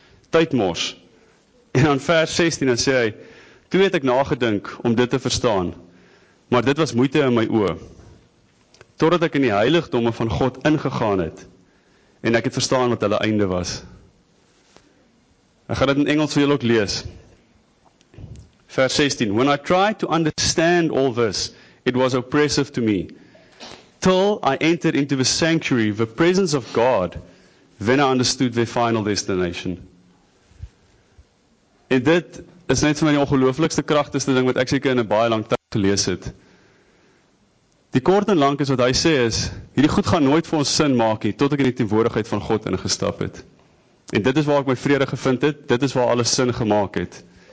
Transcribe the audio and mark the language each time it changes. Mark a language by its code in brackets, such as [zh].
[af] Tydmors. En dan vers 16 dan sê hy toe het ek nagedink om dit te verstaan. Maar dit was moeite in my oë. Totdat ek in die heiligdomme van God ingegaan het en ek het verstaan wat hulle einde was. Ek gaan dit in Engels vir julle ook lees. Vers 16. [en] When I tried to understand all this, it was oppressive to me. Till I entered into the sanctuary, the presence of God, then I understood their final destination. [af] En dit is net van die ongelooflikste krachtigste ding wat ek seker in 'n baie lang tyd gelees het. Die kort en lank is wat hy sê is, hierdie goed gaan nooit vir ons sin maak nie, tot ek in die teenwoordigheid van God ingestap het. En dit is waar ek my vrede gevind het, dit is waar alles sin gemaak het.